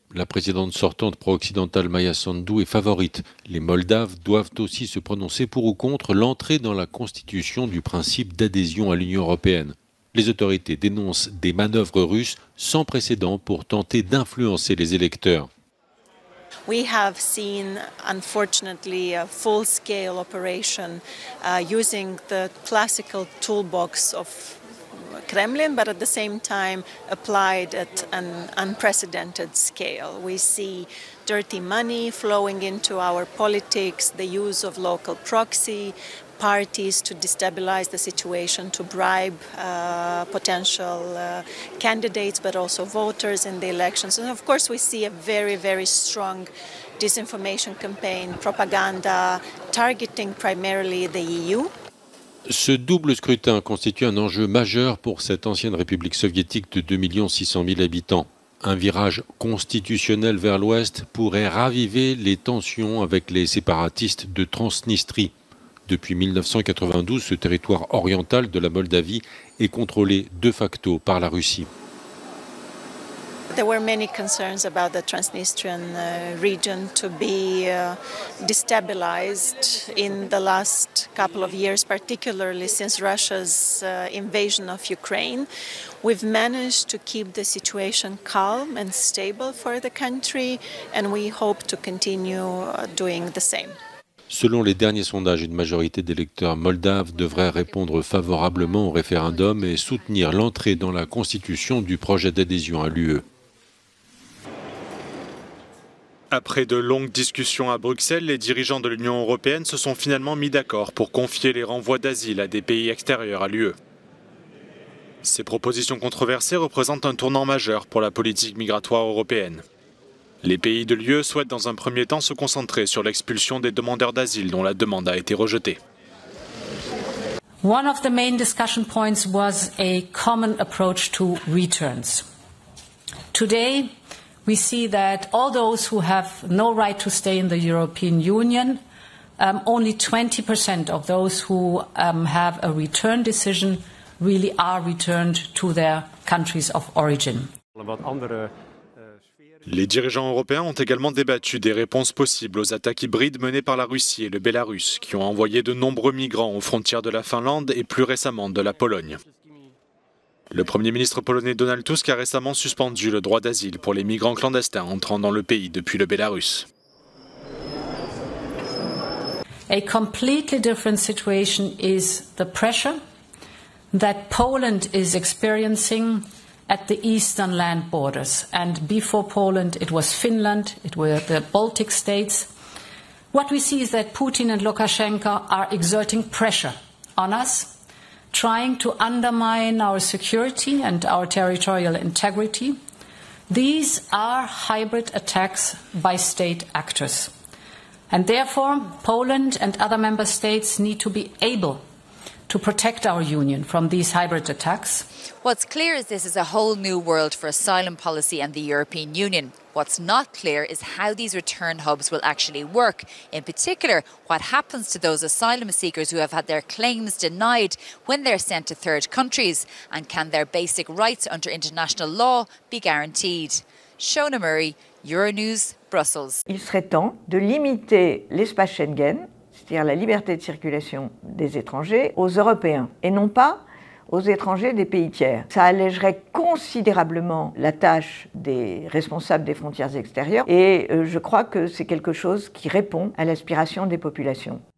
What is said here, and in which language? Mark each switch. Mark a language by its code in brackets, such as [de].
[fr] La présidente sortante pro-occidentale Maia Sandu est favorite. Les Moldaves doivent aussi se prononcer pour ou contre l'entrée dans la constitution du principe d'adhésion à l'Union européenne. Les autorités dénoncent des manœuvres russes sans précédent pour tenter d'influencer les électeurs. [en] We have seen, unfortunately, a full-scale operation using the classical toolbox of Kremlin, but at the same time applied at an unprecedented scale. We see dirty money flowing into our politics, the use of local proxy, parties to destabilize the situation, to bribe potential candidates, but also voters in the elections. And of course, we see a very, very strong disinformation campaign, propaganda, targeting primarily the EU. [fr] Ce double scrutin constitue un enjeu majeur pour cette ancienne République soviétique de 2 600 000 habitants. Un virage constitutionnel vers l'Ouest pourrait raviver les tensions avec les séparatistes de Transnistrie. Depuis 1992, ce territoire oriental de la Moldavie est contrôlé de facto par la Russie. [en] There were many concerns about the Transnistrian region to be destabilized in the last couple of years, particularly since Russia's invasion of Ukraine. We've managed to keep the situation calm and stable for the country, and we hope to continue doing the same. [fr] Selon les derniers sondages, une majorité d'électeurs moldaves devraient répondre favorablement au référendum et soutenir l'entrée dans la constitution du projet d'adhésion à l'UE. Après de longues discussions à Bruxelles, les dirigeants de l'Union européenne se sont finalement mis d'accord pour confier les renvois d'asile à des pays extérieurs à l'UE. Ces propositions controversées représentent un tournant majeur pour la politique migratoire européenne. Les pays de l'UE souhaitent dans un premier temps se concentrer sur l'expulsion des demandeurs d'asile dont la demande a été rejetée. [en] One of the main discussion points was a common approach to returns. Today, we see that all those who have no right to stay in the European Union, only 20% of those who have a return decision really are returned to their countries of origin. [fr] Les dirigeants européens ont également débattu des réponses possibles aux attaques hybrides menées par la Russie et le Bélarus, qui ont envoyé de nombreux migrants aux frontières de la Finlande et plus récemment de la Pologne. Le Premier ministre polonais Donald Tusk a récemment suspendu le droit d'asile pour les migrants clandestins entrant dans le pays depuis le Bélarus. [en] A completely different situation is the pressure that Poland is experiencing at the eastern land borders. And before Poland, it was Finland, it were the Baltic states. What we see is that Putin and Lukashenko are exerting pressure on us, trying to undermine our security and our territorial integrity. These are hybrid attacks by state actors. And therefore, Poland and other member states need to be able to protect our union from these hybrid attacks. What's clear is this is a whole new world for asylum policy and the European Union. What's not clear is how these return hubs will actually work. In particular, what happens to those asylum seekers who have had their claims denied when they're sent to third countries? And can their basic rights under international law be guaranteed? Shona Murray, Euronews, Brussels. [fr] Il serait temps de limiter l'espace Schengen, c'est-à-dire la liberté de circulation des étrangers, aux Européens et non pas aux étrangers des pays tiers. Ça allégerait considérablement la tâche des responsables des frontières extérieures et je crois que c'est quelque chose qui répond à l'aspiration des populations.